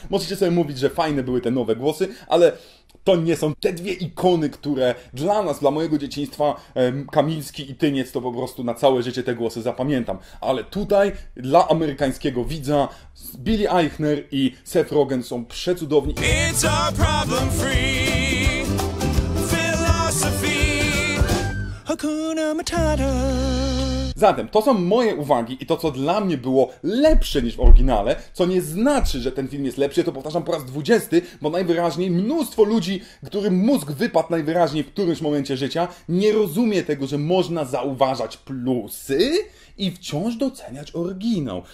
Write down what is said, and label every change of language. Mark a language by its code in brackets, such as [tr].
[pl] Możecie sobie mówić, że fajne były te nowe głosy, ale to nie są te dwie ikony, które dla nas, dla mojego dzieciństwa, Kamiński i Tyniec, to po prostu na całe życie te głosy zapamiętam. Ale tutaj dla amerykańskiego widza Billy Eichner i Seth Rogen są przecudowni. [en] It's a problem free philosophy. [sw] Hakuna Matata. [pl] Zatem, to są moje uwagi i to, co dla mnie było lepsze niż w oryginale, co nie znaczy, że ten film jest lepszy, to powtarzam po raz 20, bo najwyraźniej mnóstwo ludzi, którym mózg wypadł najwyraźniej w którymś momencie życia, nie rozumie tego, że można zauważać plusy i wciąż doceniać oryginał.